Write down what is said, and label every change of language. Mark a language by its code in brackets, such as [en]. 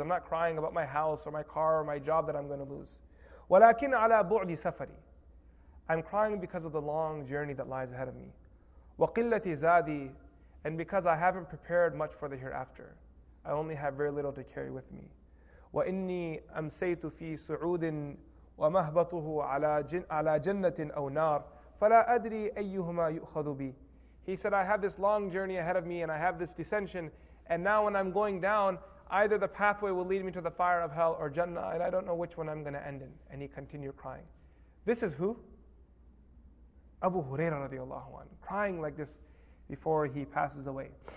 [en] I'm not crying about my house or my car or my job that I'm going to lose. [ar] ولكن على بعد سفري, [en] I'm crying because of the long journey that lies ahead of me. [ar] وقلتي زادي, [en] and because I haven't prepared much for the hereafter. I only have very little to carry with me. [ar] وإني أمسيت في صعود ومهبطه على جنة أو نار فلا أدري أيهما يؤخذ بي. [en] He said, I have this long journey ahead of me and I have this dissension, and now when I'm going down, either the pathway will lead me to the fire of hell or Jannah, and I don't know which one I'm going to end in. And he continued crying. This is who? Abu Hurairah radiallahu anhu, crying like this before he passes away.